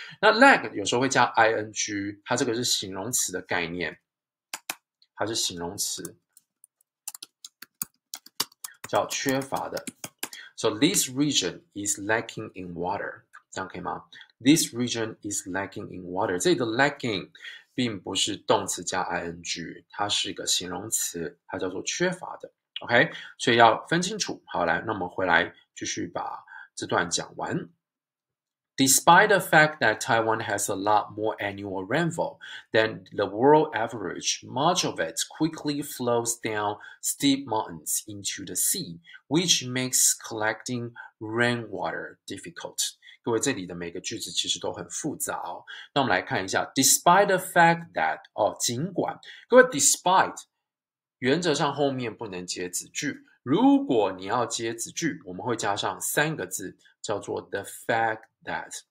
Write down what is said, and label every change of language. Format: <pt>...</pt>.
<zh>那 lag 有时候会加 ing， 它这个是形容词的概念，它是形容词，叫缺乏的。</zh> <en>So this region is lacking in water，</en> <zh>这样可以吗？</zh> <en>This region is lacking in water。</en> <zh>这里的 lacking 并不是动词加 ing，它是一个形容词，它叫做缺乏的。 OK，所以要分清楚。好，来，那我们回来继续把这段讲完。</zh> <en>Despite the fact that Taiwan has a lot more annual rainfall than the world average, much of it quickly flows down steep mountains into the sea, which makes collecting rainwater difficult.</en> <zh>各位，这里的每个句子其实都很复杂哦。那我们来看一下，</zh> <en>Despite the fact that，</en> <zh>哦，尽管，各位，despite，原则上后面不能接子句。如果你要接子句，我们会加上三个字，叫做</zh> <en>the fact that。</en>